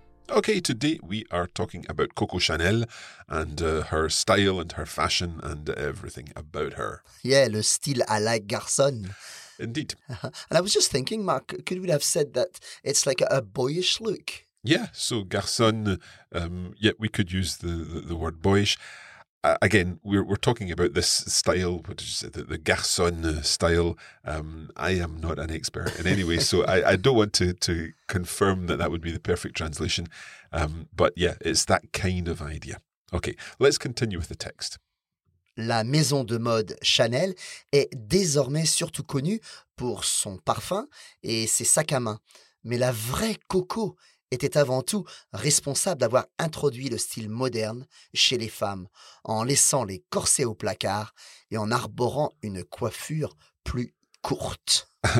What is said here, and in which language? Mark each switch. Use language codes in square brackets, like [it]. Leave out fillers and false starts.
[en] Okay, today we are talking about Coco Chanel and her style and her fashion and everything about her. [fr] Yeah, le style à la garçonne. [en] Indeed. And I was just thinking, Mark, could we have said that it's like a boyish look? Yeah, so garçonne, yeah, we could use the word boyish. Again, we're talking about this style, which is the garçon style. I am not an expert in any way, so I don't want to confirm that that would be the perfect translation. But yeah, it's that kind of idea. Okay, let's continue with the text. [fr] La maison de mode Chanel est désormais surtout connue pour son parfum et ses sacs à main. Mais la vraie Coco était avant tout responsable d'avoir introduit le style moderne chez les femmes en laissant les corsets au placard et en arborant une coiffure plus courte.